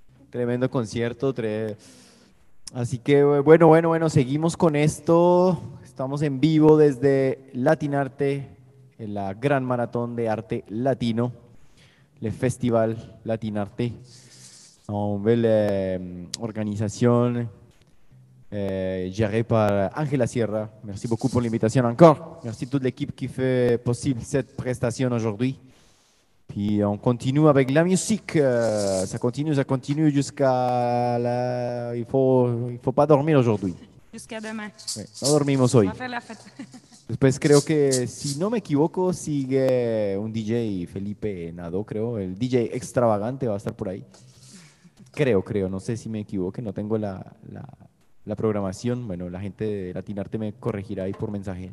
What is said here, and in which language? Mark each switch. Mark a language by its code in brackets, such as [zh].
[es] Tremendo concierto. Así que, bueno, seguimos con esto. Estamos en vivo desde Latinarte, en la gran maratón de arte latino, el Festival Latinarte. Hombre, la organización... [fr] géré par Ángela Sierra. Merci beaucoup pour l'invitation encore. Merci toute l'équipe qui fait possible cette prestation aujourd'hui. Puis on continue avec la musique. Ça continue jusqu'à la... Il faut pas dormir aujourd'hui. Jusqu'à demain. [es] Ouais, no dormimos hoy. [fr] On va faire la fête. [es] Después creo que, si no me equivoco, sigue un DJ, Felipe Nadó, creo. El DJ extravagante va a estar por ahí. Creo. No sé si me equivoqué. No tengo la programación, bueno, la gente de Latinarte me corregirá ahí por mensaje.